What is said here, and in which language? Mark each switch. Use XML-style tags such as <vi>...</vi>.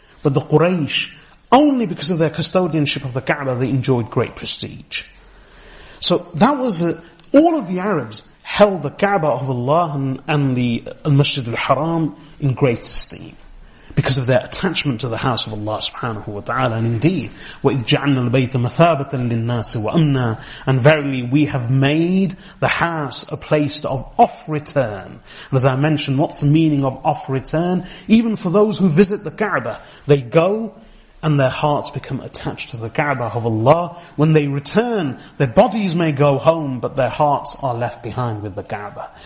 <en>But the Quraysh, only because of their custodianship of the Kaaba, they enjoyed great prestige. So that was all of the Arabs held the Kaaba of Allah and the Masjid al-Haram in great esteem. Because of their attachment to the house of Allah subhanahu wa ta'ala. And indeed,</en> <ar>وَإِذْ جَعَلْنَا الْبَيْتَ مَثَابَةً لِلنَّاسِ وَأَمْنًا.</ar> <en>And verily, we have made the house a place of off-return. And as I mentioned, what's the meaning of off-return? Even for those who visit the Kaaba, they go and their hearts become attached to the Kaaba of Allah. When they return, their bodies may go home, but their hearts are left behind with the Kaaba.</en>